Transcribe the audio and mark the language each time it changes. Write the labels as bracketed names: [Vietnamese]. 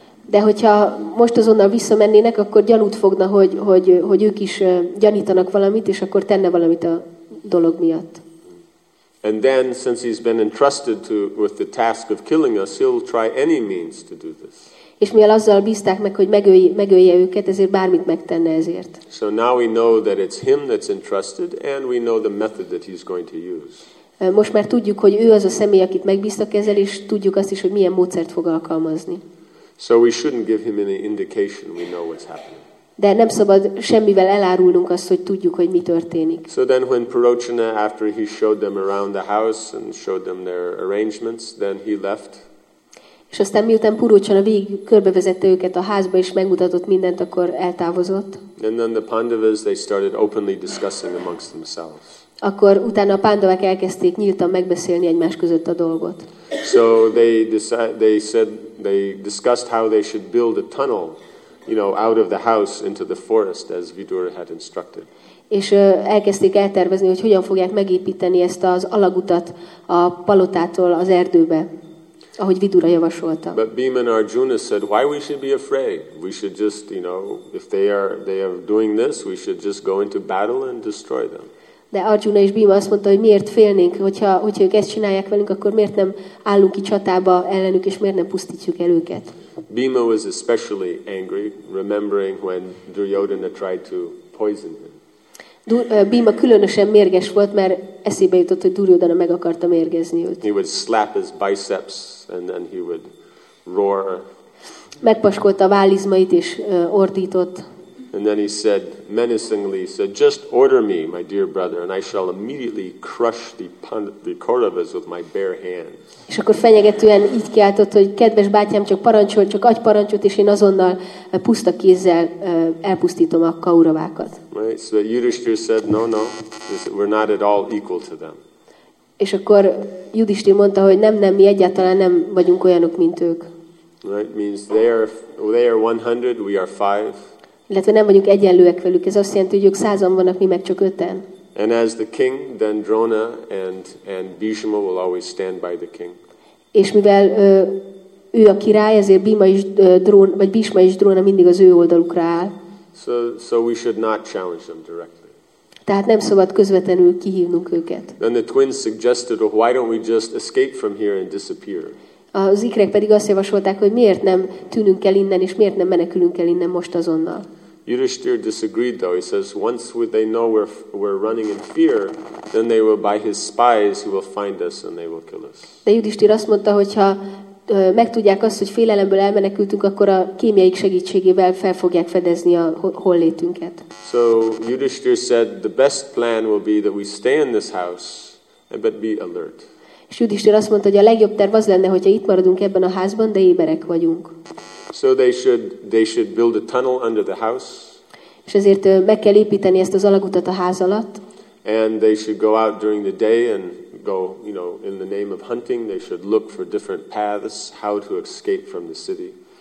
[Hungarian] De hogyha most azonnal visszamennének, akkor gyanút fogna, hogy ők is gyanítanak valamit, és akkor tenne valamit a dolog miatt. [English] And then, since he's been entrusted with the task of killing us, he'll try any means to do this. [Hungarian] És mivel azzal bízták meg, hogy megölje őket, ezért bármit megtenne ezért. [English] So now we know that it's him that's entrusted, and we know the method that he's going to use. [Hungarian] Most már tudjuk, hogy ő az a személy, akit megbíztak ezzel, és tudjuk azt is, hogy milyen módszert fog alkalmazni. [English] So we shouldn't give him any indication we know what's happening. [Hungarian] De nem szabad semmivel elárulnunk azt, hogy tudjuk, hogy mi történik. [English] So then when Purocsana, after he showed them around the house and showed them their arrangements, then he left. [Hungarian] És aztán miután Purocsana végig körbevezette őket a házba, és megmutatott mindent, akkor eltávozott. [English] And then the Pandavas, they started openly discussing amongst themselves. [Hungarian] Akkor utána a Pandavák elkezdték nyíltan megbeszélni egymás között a dolgot. [English] So they discussed how they should build a tunnel, you know, out of the house into the forest as Vidura had instructed. [Hungarian] És elkezdték eltervezni, hogy hogyan fogják megépíteni ezt az alagutat a palotától az erdőbe, ahogy Vidura javasolta. [English] But Bhima and Arjuna said, why we should be afraid? We should just, you know, if they are doing this, we should just go into battle and destroy them. [Hungarian] De Arjuna és Bhima azt mondta, hogy miért félnénk, hogyha ők ezt csinálják velünk, akkor miért nem állunk ki csatába ellenük, és miért nem pusztítjuk el őket. [English] Bhima was especially angry, remembering when Duryodhana tried to poison him. [Hungarian] Bhima különösen mérges volt, mert eszébe jutott, hogy Duryodhana meg akarta mérgezni őt. [English] He would slap his biceps, and then he would roar. [Hungarian] Megpaskolta a vállizmait, és ordított. [English] And then he said, menacingly, he said, just order me, my dear brother, and I shall immediately crush the Kauravas with my bare hands. [Hungarian] És akkor fenyegetően így kiáltott, hogy kedves bátyám, csak parancsol, csak adj parancsot, és én azonnal puszta kézzel elpusztítom a Kauravákat. [English] Right, so Yudhishthira said, no, we're not at all equal to them. [Hungarian] És akkor Yudhishthira mondta, hogy nem, mi egyáltalán nem vagyunk olyanok, mint ők. [English] Right, means they are 100, we are 5. [Hungarian] Illetve nem vagyunk egyenlőek velük. Ez azt jelenti, hogy ők százan vannak, mi meg csak öten. [English] And as the king, then Drona and Bhishma will always stand by the king. [Hungarian] És mivel ő a király, ezért Bhishma és Drona mindig az ő oldalukra áll. [English] So we should not challenge them directly. [Hungarian] Tehát nem szabad közvetlenül kihívnunk őket. [English] Then the twins suggested, well, why don't we just escape from here and disappear? [Hungarian] Az ikrek pedig azt javasolták, hogy miért nem tűnünk el innen, és miért nem menekülünk el innen most azonnal. [English] Yudhishthira disagreed though. He says, once they know we're running in fear, then they will, by his spies, he will find us and they will kill us. [Hungarian] De Yudhishthira azt mondta, hogyha megtudják azt, hogy félelemből elmenekültünk, akkor a kémiaik segítségével fel fogják fedezni a hollétünket. [English] So Yudhishthira said, the best plan will be that we stay in this house, but be alert. [Hungarian] És Yudhishthira azt mondta, hogy a legjobb terv az lenne, hogyha itt maradunk ebben a házban, de éberek vagyunk. [English] So they should build a tunnel under the house. [Hungarian] És ezért meg kell építeni ezt az alagutat a ház alatt. [English] And they should go out during the day and go, you know, in the name of hunting, they should look for different paths how to escape from the city.